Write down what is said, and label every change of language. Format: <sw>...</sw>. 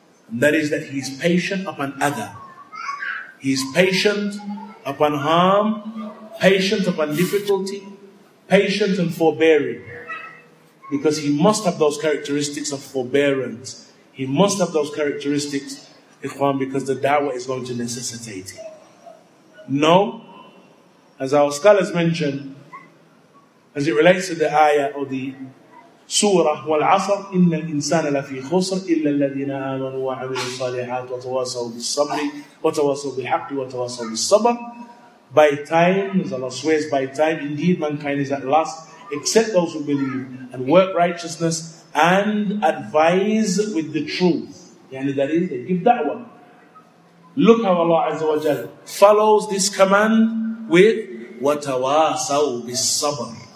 <en>And that is that he is patient upon adha. He is patient upon harm, patient upon difficulty, patient and forbearing. Because he must have those characteristics of forbearance. He must have those characteristics, ikhwan, because the da'wah is going to necessitate it. No, as our scholars mentioned, as it relates to the ayah or the surah,</en> <ar>وَالْعَصَرْ إِنَّ الْإِنسَانَ لَفِي خُسْرٍ إِلَّا الَّذِينَ آمَنُوا وَعَمِلُوا الصَّالِحَاتِ وَتَوَاصَوْا بِالصَّبْرِ وَتَوَاصَوْا بِالْحَقِّ وَتَوَاصَوْا بِالصَّبْرِ.</ar> <en>By time, as Allah swears, by time, indeed mankind is at last, except those who believe and work righteousness and advise with the truth. Yani that is, they give da'wah. Look how Allah Azza wa Jal follows this command with</en> <ar>وَتَوَاصَوْا بِالصَّبْرِ.</ar>